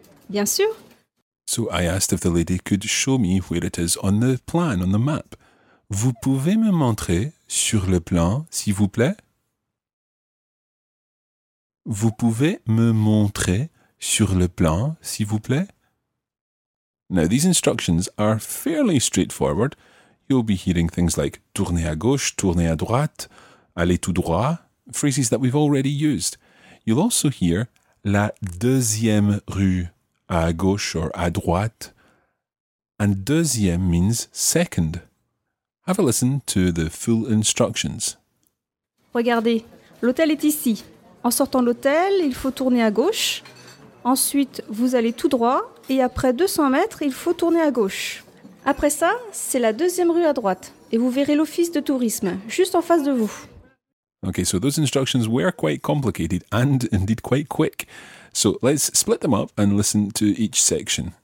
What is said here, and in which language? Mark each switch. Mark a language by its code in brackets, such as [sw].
[fr] Bien sûr. [en] So I asked if the lady could show me where it is on the plan, on the map. [fr] Vous pouvez me montrer sur le plan, s'il vous plaît? Vous pouvez me montrer sur le plan, s'il vous plaît? [en] Now, these instructions are fairly straightforward. You'll be hearing things like [fr] tourner à gauche, tourner à droite, aller tout droit, [en] phrases that we've already used. You'll also hear [fr] la deuxième rue, à gauche [en] or [fr] à droite. [en] And deuxième means second. Have a listen to the full instructions. [fr] Regardez, l'hôtel est ici. En sortant de l'hôtel, il faut tourner à gauche. Ensuite, vous allez tout droit et après 200 mètres, il faut tourner à gauche. Après ça, c'est la deuxième rue à droite et vous verrez l'office de tourisme, juste en face de vous. [en] Okay, so those instructions were quite complicated and indeed quite quick. So let's split them up and listen to each section.